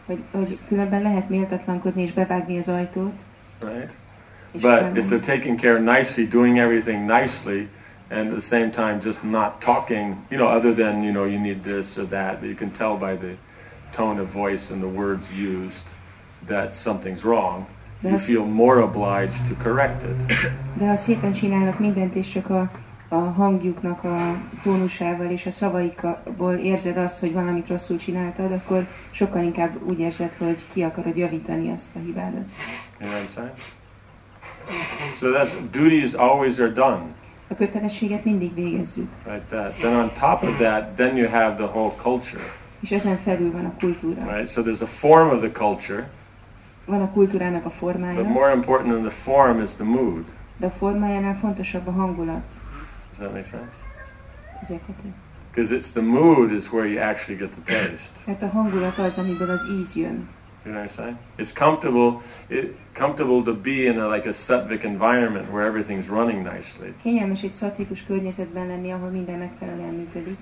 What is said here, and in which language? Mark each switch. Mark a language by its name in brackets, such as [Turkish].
[Hungarian] Hogy különben lehet méltatlankodni és bevágni az ajtót. [English] Right? But if they're taking care nicely, doing everything nicely, and at the same time just not talking, you know, other than, you know, you need this or that, but you can tell by the tone of voice and the words used that something's wrong, you feel more obliged to correct it. [Hungarian] De ha szépen csinálnak mindent, és csak a hangjuknak a tónusával és a szavaikból érzed azt, hogy valamit rosszul csináltad, akkor sokkal inkább úgy érzed, hogy ki akarod javítani azt a hibádat. [English] So that duties always are done. [Hungarian] A kötelességet mindig végezzük. [English] Right, that. Then on top of that, then you have the whole culture. [Hungarian] És ezen felül van a kultúra. [English] Right, so there's a form of the culture. [Hungarian] Van a kultúrának a formája. [English] But more important than the form is the mood. [Hungarian] De a formájánál fontosabb a hangulat. [English] Does that make sense? [Hungarian] Ez érthető. [English] Because it's the mood is where you actually get the taste. [Hungarian] Mert a hangulat az, amiből az íz jön. [English] You know what I'm saying? It's comfortable to be in a sattvic environment where everything's running nicely. [Hungarian] Kényelmes egy szattvikus környezetben lenni, ahol minden megfelelően működik.